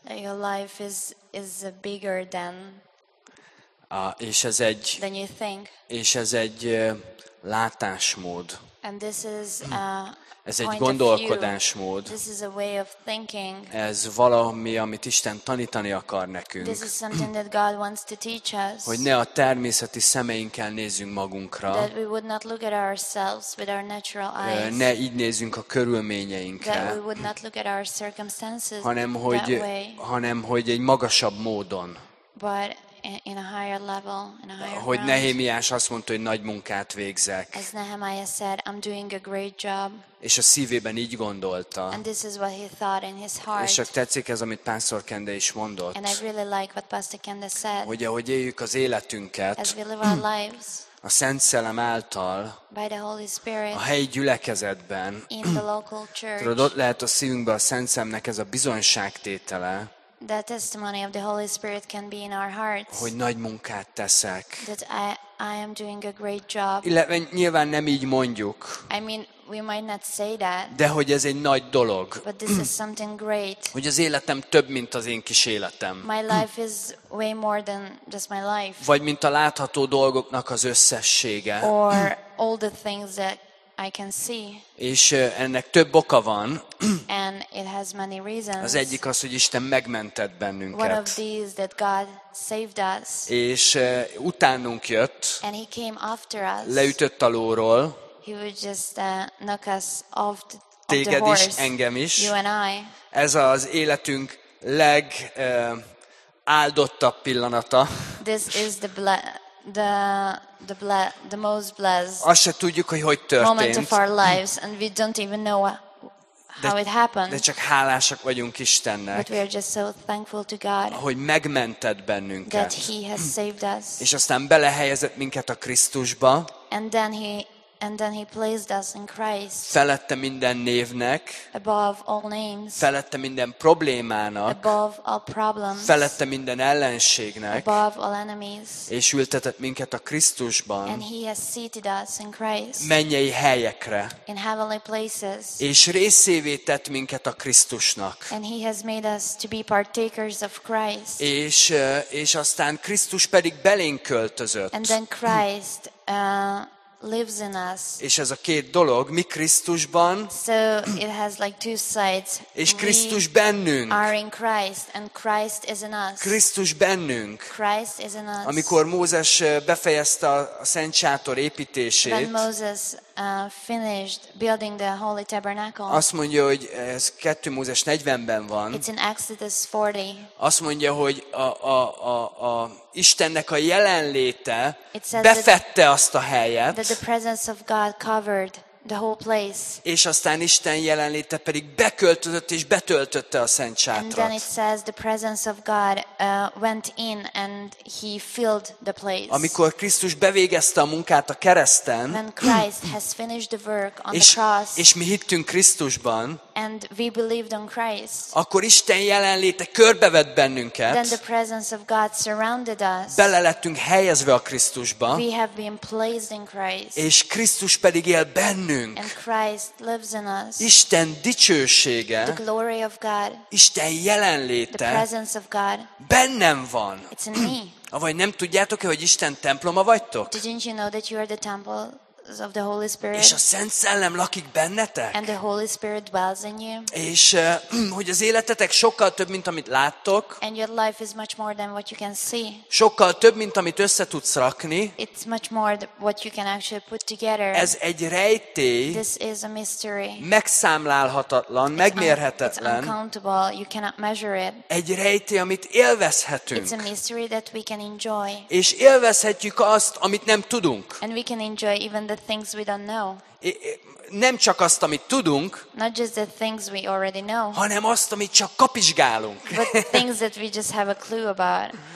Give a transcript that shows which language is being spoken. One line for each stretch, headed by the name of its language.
English: Your life is bigger than,
Hungarian: és ez egy,
English: than you think.
Hungarian: És ez egy látásmód.
English: And this is a
Hungarian: ez egy gondolkodásmód.
English: This is a way of thinking.
Hungarian: Ez valami, amit Isten tanítani akar nekünk.
English: This is something that God wants to teach us.
Hungarian: Hogy ne a természeti szemeinkkel nézzünk magunkra.
English: That we would not look at ourselves with our natural eyes.
Hungarian: Ne így nézzünk a körülményeinkre.
English: That we would not look at our circumstances.
Hungarian: Hanem hogy egy magasabb módon.
English: But in a higher level, in a higher
Hungarian: hogy Nehémiás azt mondta, hogy nagy munkát végzek.
English: As Nehemiah said, I'm doing a great job.
Hungarian: És a szívében így gondolta.
English: And this is what he thought in his heart.
Hungarian: És csak tetszik ez, amit Pastor Kende is mondott.
English: And I really like what Pastor Kende said.
Hungarian: Hogy ahogy éljük az életünket,
English: as we live our lives,
Hungarian: a Szent Szellem által,
English: by the Holy Spirit,
Hungarian: a helyi gyülekezetben,
English: in the local church,
Hungarian: tudod, ott lehet a szívünkben a Szent Szellemnek ez a bizonyságtétele,
English: the testimony of the Holy Spirit can be in our hearts.
Hungarian: Hogy nagy munkát teszek.
English: That I am doing a great job.
Hungarian: Illetve nyilván nem így mondjuk.
English: I mean, we might not say that.
Hungarian: De hogy ez egy nagy dolog.
English: But this is something great.
Hungarian: Hogy az életem több, mint az én kis életem.
English: My life is way more than just my life.
Hungarian: Vagy mint a látható dolgoknak az összessége.
English: Or all the things that I can see.
Hungarian: És ennek több oka van.
English: And it has many reasons.
Hungarian: Az egyik az, hogy Isten megmentett bennünket.
English: One of these that God saved us.
Hungarian: És utánunk jött.
English: And he came after us.
Hungarian: Leütött a lóról.
English: He would just knock us off the horse.
Hungarian: Téged is, engem is.
English: You and I.
Hungarian: Ez az életünk leg áldottabb pillanata.
English: This is the the most blessed.
Hungarian: Azt se tudjuk, hogy hogy történt.
English: Moment of our lives, and we don't even know how it happened.
Hungarian: De csak hálásak vagyunk Istennek.
English: But we are just so thankful to God.
Hungarian: Hogy megmentett bennünket.
English: That he has saved us.
Hungarian: És aztán belehelyezett minket a Krisztusba.
English: And then he placed us in Christ.
Hungarian: Felette minden névnek.
English: Above all names.
Hungarian: Felette minden problémának.
English: Above all problems.
Hungarian: Felette minden ellenségnek.
English: Above all enemies.
Hungarian: És ültetett minket a Krisztusban.
English: And he has seated us in Christ.
Hungarian: Mennyei helyekre.
English: In heavenly places.
Hungarian: És részévé tett minket a Krisztusnak.
English: And he has made us to be partakers of Christ.
Hungarian: És aztán Krisztus pedig belénk költözött.
English: And then Christ lives in us.
Hungarian: És ez a két dolog, mi Krisztusban.
English: So it has like two sides.
Hungarian: És Krisztus bennünk.
English: We are in Christ and Christ is in us.
Hungarian: Krisztus bennünk.
English: Christ is in us.
Hungarian: Amikor Mózes befejezte a Szent Sátor építését.
English: When Moses finished building the holy tabernacle.
Hungarian: Azt mondja, hogy ez 2 Mózes 40-ben van.
English: It's in Exodus 40.
Hungarian: Azt mondja, hogy a Istennek a jelenléte befette azt a helyet.
English: That the presence of God covered the whole place.
Hungarian: És aztán Isten jelenléte pedig beköltözött és betöltötte a Szent Sátrat.
English: And then it says the presence of God went in and he filled the place.
Hungarian: Amikor Krisztus bevégezte a munkát a kereszten,
English: when Christ has finished the work on the cross,
Hungarian: és mi hittünk Krisztusban,
English: and we believed on Christ,
Hungarian: akkor Isten jelenléte körbevett bennünket,
English: then the presence of God surrounded us,
Hungarian: bele lettünk helyezve a Krisztusba,
English: we have been placed in Christ,
Hungarian: és Krisztus pedig él bennünk.
English: And Christ lives in us.
Hungarian: Isten dicsősége,
English: the glory of God,
Hungarian: Isten jelenléte,
English: the presence of God,
Hungarian: bennem van.
English: It's in me.
Hungarian: Avagy nem tudjátok-e, hogy Isten temploma vagytok?
English: Didn't you know that you are the temple of the Holy Spirit.
Hungarian: És a Szent Szellem lakik bennetek.
English: And the Holy Spirit dwells in you.
Hungarian: És hogy az életetek sokkal több, mint amit láttok.
English: And your life is much more than what you can see.
Hungarian: Sokkal több, mint amit össze tudsz rakni.
English: It's much more what you can actually put together.
Hungarian: Ez egy rejtély.
English: This is a mystery.
Hungarian: Megszámlálhatatlan, megmérhetetlen.
English: It's uncountable. You cannot measure it.
Hungarian: Egy rejtély, amit élvezhetünk.
English: It's a mystery that we can enjoy.
Hungarian: És élvezhetjük azt, amit nem tudunk.
English: And we can enjoy even the things we don't know.
Hungarian: Nem csak azt, amit tudunk,
English: not just the things we already know,
Hungarian: hanem azt, amit csak kapizsgálunk.
English: But things that we just have a clue about.